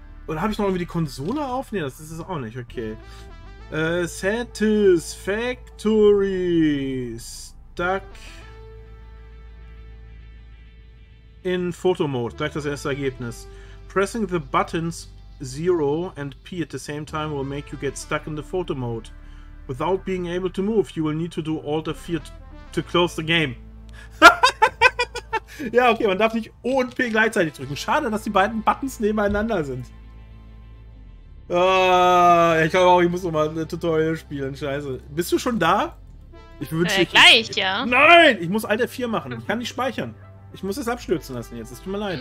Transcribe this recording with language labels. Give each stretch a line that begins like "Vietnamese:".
German: Oder habe ich noch irgendwie die Konsole auf? Nee, das ist es auch nicht.
English: Okay. Satisfactory stuck in photo mode.
German: Gleich das erste Ergebnis.
English: Pressing the buttons 0 and P at the same time will make you get stuck in the photo mode. Without being able to move, you will need to do Alt F4 to close the game.
German: Ja, okay, man darf nicht O und P gleichzeitig drücken. Schade, dass die beiden Buttons nebeneinander sind. Ah, ich glaube auch, ich muss nochmal ein Tutorial spielen, scheiße. Bist du schon da? Ich wünsche dir gleich, ja. Nein, ich muss Alt F4 machen, ich kann nicht speichern. Ich muss es abstürzen lassen jetzt, es tut mir leid.